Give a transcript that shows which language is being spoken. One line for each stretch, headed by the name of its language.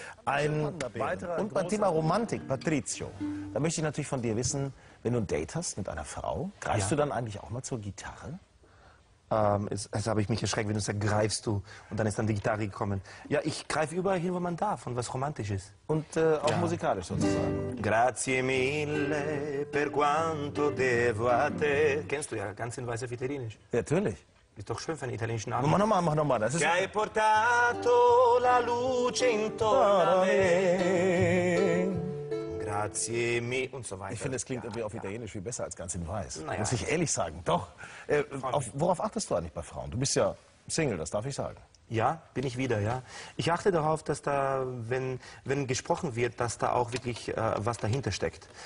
German: Ein weiterer und beim Thema Romantik, Patrizio, da möchte ich natürlich von dir wissen, wenn du ein Date hast mit einer Frau, greifst du dann eigentlich auch mal zur Gitarre? Also habe ich mich erschreckt, wenn du sagst, greifst du und dann ist dann die Gitarre gekommen. Ja, ich greife überall hin, wo man darf und was romantisch ist. Und auch musikalisch sozusagen.
Italian: Grazie mille per quanto devo a te.
German: Kennst du ja ganz in weißer Italienisch. Ja, natürlich. Ist doch schön für einen italienischen Namen. Mach nochmal. Das ist
Italian: che hai portato la luce intorno a me. Grazie mi
German: und so weiter. Ich finde, es klingt irgendwie auf Italienisch viel besser als ganz in Weiß. Naja. Muss ich ehrlich sagen, doch. Worauf achtest du eigentlich bei Frauen? Du bist ja Single, das darf ich sagen. Ja, bin ich wieder, ja. Ich achte darauf, dass da, wenn gesprochen wird, dass da auch wirklich was dahinter steckt.